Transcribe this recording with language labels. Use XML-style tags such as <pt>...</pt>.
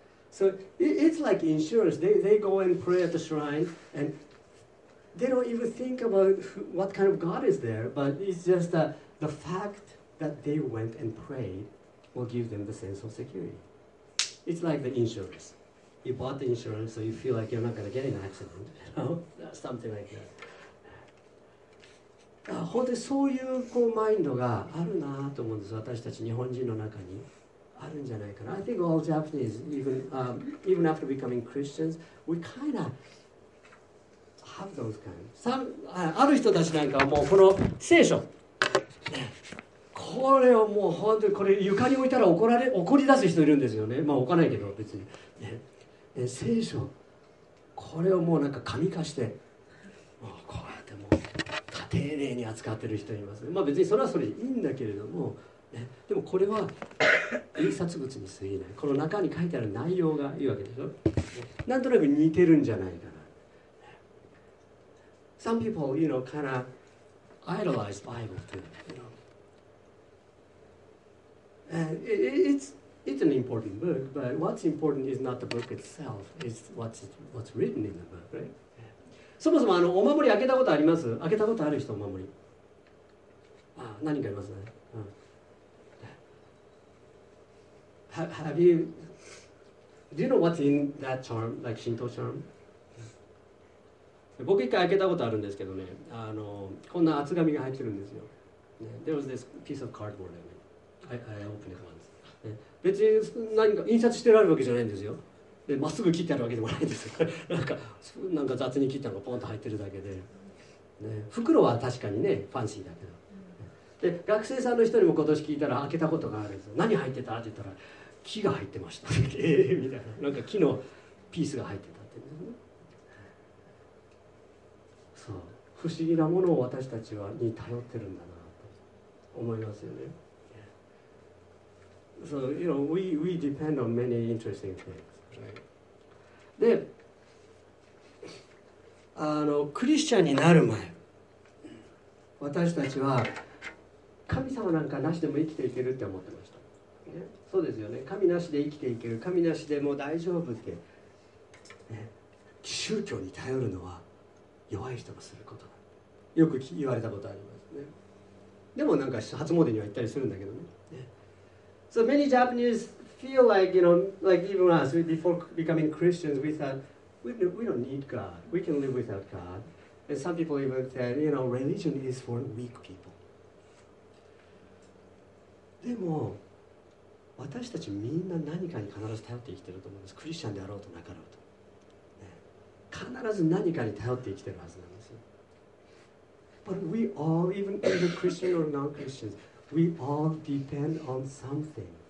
<en>So it's like insurance. They go and pray at the shrine, and they don't even think about what kind of God is there. But it's just that the fact that they went and prayed will give them the sense of security. It's like the insurance. You bought the insurance, so you feel like you're not going to get in an accident, you know, something like that.</en> <ja>本当にそういうこうマインドがあるなと思うんです。私たち日本人の中に。あるんじゃないかな。</ja> <en>I think all Japanese, even after becoming Christians, we kind of have those kind.</en> <ja>ある人たちなんかはもうこの聖書、これをもう本当にこれ床に置いたら怒り出す人いるんですよね。まあ置かないけど別に、ね、聖書これをもうなんか神化して、もうこうやってもう丁寧に扱ってる人います。まあ別にそれはそれでいいんだけれども。でもこれは印刷物に過ぎない。この中に書いてある内容がいいわけでしょ。なんとなく似てるんじゃないかな。</ja> <en>Some people, you know, kind of idolize Bible too. You know, it's an important book, but what's important is not the book itself. It's what's written in the book, right?</en> <ja>そもそもあのお守り開けたことあります？開けたことある人お守り。あ、何人かいますね。</ja> <en>Do you know what's in that charm, like Shinto charm?</en> <ja>僕一回開けたことあるんですけどね、あのこんな厚紙が入ってるんですよ。</ja> <en>There was this piece of cardboard. I opened it once.</en> <ja>別に何か印刷してあるわけじゃないんですよ。で、まっすぐ切ってあるわけでもないんですなんか雑に切ったのがポンと入ってるだけで、ね、袋は確かにね、ファンシーだけど。で、学生さんの人にも今年聞いたら開けたことがあるんですよ。何入ってたって言ったら、木が入ってましたみたいな、なんか木のピースが入ってたって言うんですね。そう、不思議なものを私たちはに頼ってるんだなと思いますよね。</ja> <en>So, you know, we depend on many interesting things, right?</en> <ja>で、あのクリスチャンになる前、私たちは神様なんかなしでも生きていけるって思ってました、ね、そうですよね。神なしで生きていける、神なしでもう大丈夫って、ね、宗教に頼るのは弱い人がすることだ、よく言われたことありますね。でもなんか初詣には行ったりするんだけどね。</ja> <en>So many Japanese feel like, you know, like even us, before becoming Christians, we thought, we don't need God. We can live without God. And some people even said, you know, religion is for weak people.</en> <ja>でも私たちみんな何かに必ず頼って生きてると思うんです。クリスチャンであろうとなかろうと、ね、必ず何かに頼って生きてるはずなんです。</ja> <en>But we all, even either Christian or non-Christians, we all depend on something.</en>